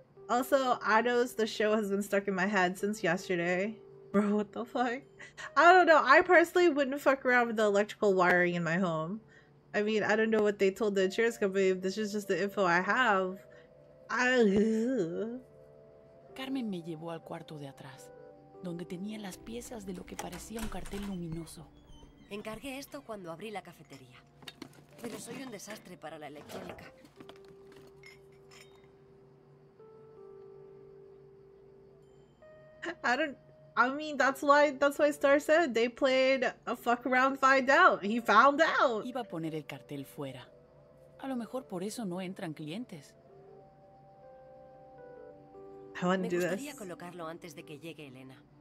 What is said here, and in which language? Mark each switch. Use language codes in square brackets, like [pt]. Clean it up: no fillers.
[en] Also, Ado's The Show has been stuck in my head since yesterday. Bro, what the fuck? I don't know. I personally wouldn't fuck around with the electrical wiring in my home. I mean, I don't know what they told the insurance company. If this is just the info I have. [es] Carmen me llevó al cuarto de atrás, donde tenía las piezas de lo que parecía un cartel luminoso. Encargué esto cuando abrí la cafetería, pero soy un desastre para la electrónica. [en] I mean, that's why Star said they played a fuck around, find out. He found out. [es] Iba a poner el cartel fuera. A lo mejor por eso no entran clientes. [en] I want to do this. [es] Me gustaría colocarlo antes de que llegue Elena.